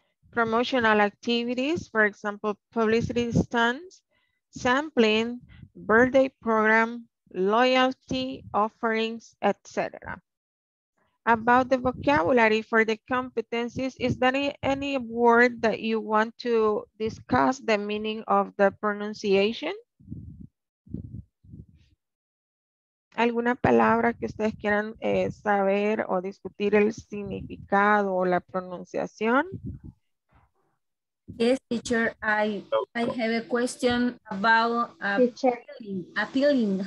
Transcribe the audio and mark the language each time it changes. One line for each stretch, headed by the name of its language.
English: Promotional activities, for example, publicity stunts, sampling, birthday program, loyalty offerings, etc. About the vocabulary for the competencies, is there any word that you want to discuss the meaning of the pronunciation?
Spanish: ¿Alguna palabra que ustedes quieran saber o discutir el significado o la pronunciación?
English: Yes, teacher, I have a question about appealing.